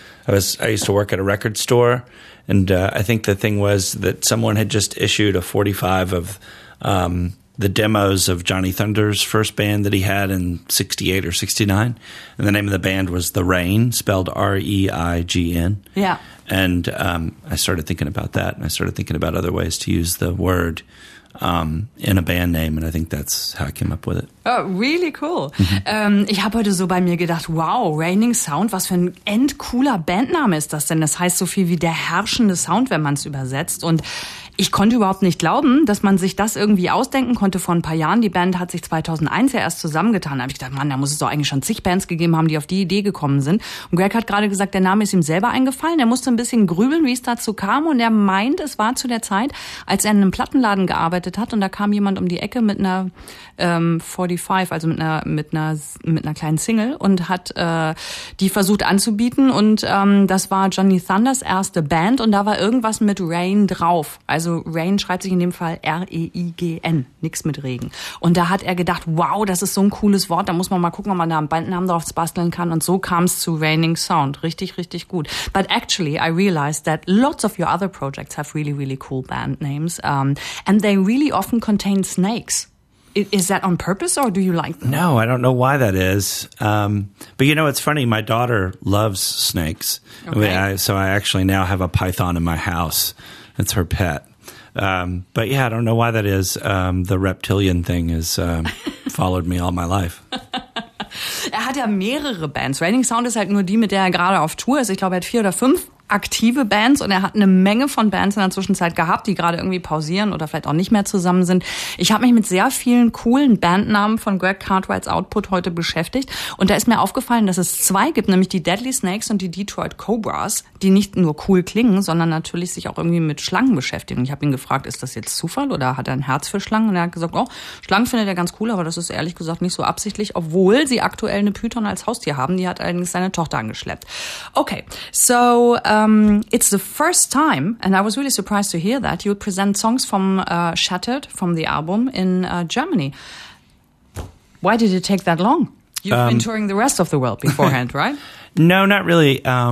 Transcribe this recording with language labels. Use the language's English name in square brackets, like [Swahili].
[English] I used to work at a record store, and I think the thing was that someone had just issued a 45 of the demos of Johnny Thunder's first band that he had in 68 or 69. And the name of the band was The Rain, spelled R-E-I-G-N. Yeah. And I started thinking about that, and I started thinking about other ways to use the word in a band name, and I think that's how I came up with it. Oh, really cool. Mm-hmm. [German] Ich habe heute so bei mir gedacht, wow, Raining Sound, was für ein endcooler Bandname ist das denn? Das heißt so viel wie der herrschende Sound, wenn man es übersetzt. Und ich konnte überhaupt nicht glauben, dass man sich das irgendwie ausdenken konnte vor ein paar Jahren. Die Band hat sich 2001 ja erst zusammengetan. Da habe ich gedacht, Mann, da muss es doch eigentlich schon zig Bands gegeben haben, die auf die Idee gekommen sind. Und Greg hat gerade gesagt, der Name ist ihm selber eingefallen. Er musste ein bisschen grübeln, wie es dazu kam. Und er meint, es war zu der Zeit, als er in einem Plattenladen gearbeitet hat. Und da kam jemand um die Ecke mit einer 45, also mit einer kleinen Single. Und hat die versucht anzubieten. Und das war Johnny Thunders erste Band. Und da war irgendwas mit Rain drauf. Also Rain schreibt sich in dem Fall R-E-I-G-N, nichts mit Regen. Und da hat er gedacht, wow, das ist so ein cooles Wort, da muss man mal gucken, ob man da einen Bandnamen drauf basteln kann. Und so kam es zu Raining Sound, richtig, richtig gut. [English] But actually, I realized that lots of your other projects have really, really cool band names. And they really often contain snakes. Is that on purpose or do you like them? No, I don't know why that is. But you know, it's funny, my daughter loves snakes. Okay. So I actually now have a python in my house. It's her pet. But yeah, I don't know why that is. The reptilian thing has followed me all my life. [German] Er hat ja mehrere Bands. Raining Sound ist halt nur die, mit der er gerade auf Tour ist. Ich glaube, er hat 4 oder 5 aktive Bands und er hat eine Menge von Bands in der Zwischenzeit gehabt, die gerade irgendwie pausieren oder vielleicht auch nicht mehr zusammen sind. Ich habe mich mit sehr vielen coolen Bandnamen von Greg Cartwrights Output heute beschäftigt und da ist mir aufgefallen, dass es 2 gibt, nämlich die Deadly Snakes und die Detroit Cobras, die nicht nur cool klingen, sondern natürlich sich auch irgendwie mit Schlangen beschäftigen. Ich habe ihn gefragt, ist das jetzt Zufall oder hat er ein Herz für Schlangen? Und er hat gesagt, oh, Schlangen findet er ganz cool, aber das ist ehrlich gesagt nicht so absichtlich, obwohl sie aktuell eine Python als Haustier haben, die hat allerdings seine Tochter angeschleppt. [English] Okay, so it's the first time, and I was really surprised to hear that, you present songs from Shattered, from the album, in Germany. Why did it take that long? You've been touring the rest of the world beforehand, right? No, not really.